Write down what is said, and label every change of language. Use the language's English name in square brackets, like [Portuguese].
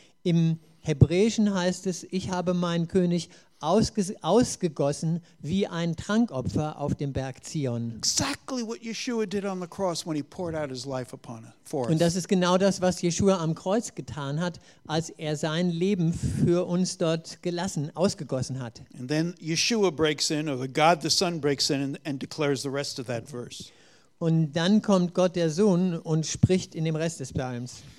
[German] Im Hebräischen heißt es, ich habe meinen König ausgegossen wie ein Trankopfer auf dem Berg Zion. [English] Exactly what Yeshua did on the cross when he poured out his life upon us. [German] Und das ist genau das, was Yeshua am Kreuz getan hat, als er sein Leben für uns dort gelassen, ausgegossen hat. [English] And then Yeshua breaks in, or God the Son breaks in and declares the rest of that verse. [German] Und dann kommt Gott der Sohn und spricht in dem Rest des Psalms.